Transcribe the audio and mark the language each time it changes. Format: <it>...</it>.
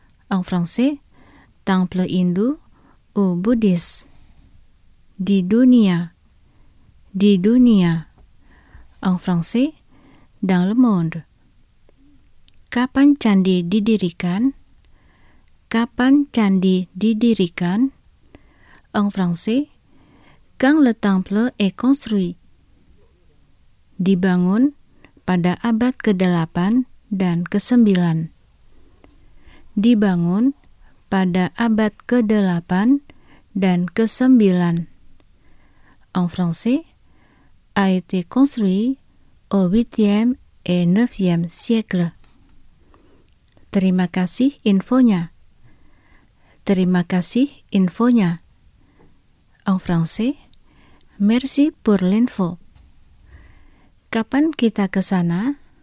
<fr>En français, temple Hindu ou Buddhis.</fr> <id>Di dunia. Di dunia.</id> <fr>En français, dans le monde.</fr> <id>Kapan candi didirikan? Kapan candi didirikan?</id> <fr>En français, quand le temple est construit?</fr> <id>Dibangun pada abad ke-8 dan ke-9. Dibangun pada abad ke-8 dan ke-9.</id> <fr>En français, a été construit au 8e et 9e siècle.</fr> <id>Terima kasih infonya. Terima kasih infonya.</id> <fr>En français, merci pour l'info.</fr> <id>Kapan kita ke sana?</id>